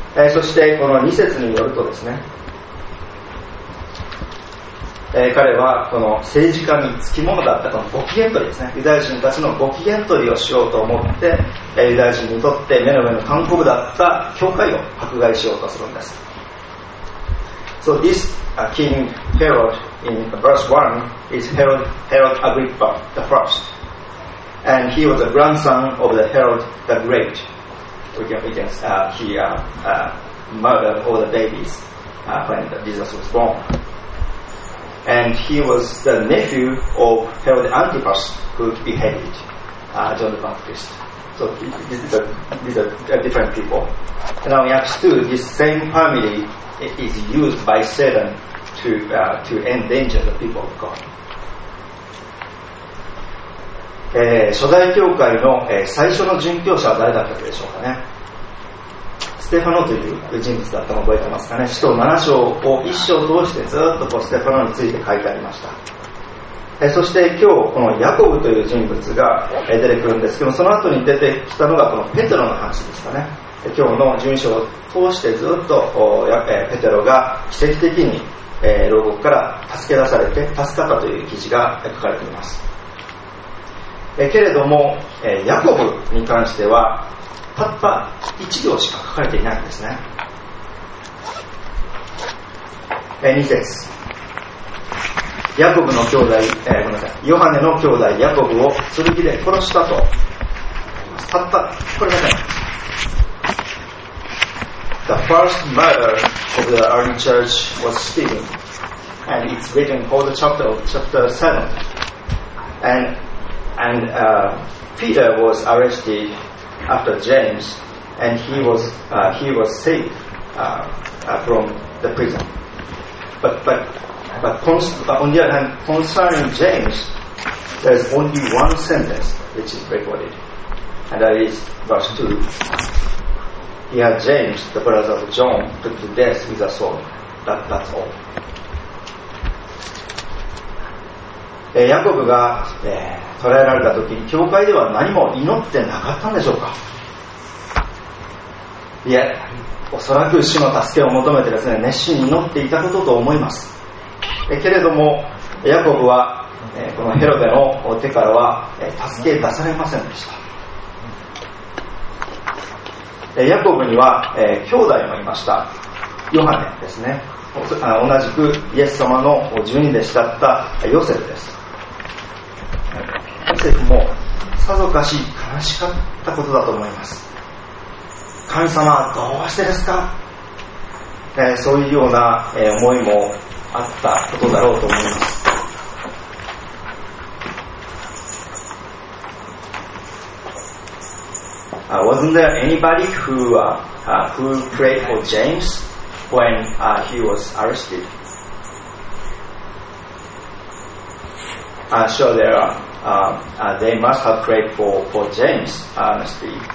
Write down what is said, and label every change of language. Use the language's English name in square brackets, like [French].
[Japanese] そしてこの2節によるとですね、彼はこの政治家につきものだったこのご機嫌取りですね、ユダヤ人たちのご機嫌取りをしようと思って、ユダヤ人にとって目の上の韓国だった教会を迫害しようとするんです。 [English] So this king Herod in verse 1 is Herod Agrippa the First. And he was a grandson of the Herod the Great. He murdered all the babies when Jesus was born. And he was the nephew of Herod Antipas who beheaded John the Baptist. So these are different people. And now in Acts 2, this same family it is used by Satan to endanger the people of God. [Japanese] 初代教会の、最初の殉教者は誰だったでしょうかね。ステファノという人物だったのを覚えてますかね。使徒7章を一章通してずっとこうステファノについて書いてありました。そして今日このヤコブという人物が出てくるんですけども、その後に出てきたのがこのペテロの話ですかね。今日の殉教を通してずっとペテロが奇跡的に牢獄から助け出されて助かったという記事が書かれています。けれどもヤコブに関してはたった一行しか書かれていないんですね。 2節、ヤコブの兄弟、ごめんなさい、ヨハネの兄弟ヤコブを剣で殺したと、たったこれだけ。 [English] The first murder of the early church was Stephen, and it's written for the chapter 7. And Peter was arrested after James, and he was saved from the prison. But on the other hand, concerning James, there's only one sentence which is recorded, and that is verse 2. He had James, the brother of John, put to death with a sword. That's all. [Japanese] ヤコブが、捕らえられた時に教会では何も祈ってなかったんでしょうか。いえ、おそらく主の助けを求めてですね、熱心に祈っていたことと思います。けれどもヤコブは、このヘロデの手からは、助け出されませんでした。ヤコブには、兄弟もいました。ヨハネですね。同じくイエス様の十二弟子だったヨセフです。ヨセフもさぞかし悲しかったことだと思います。神様どうしてですか、そういうような思いもあったことだろうと思います。 [English] Wasn't there anybody who prayed for James when he was arrested? Sure, there are. They must have prayed for James, honestly.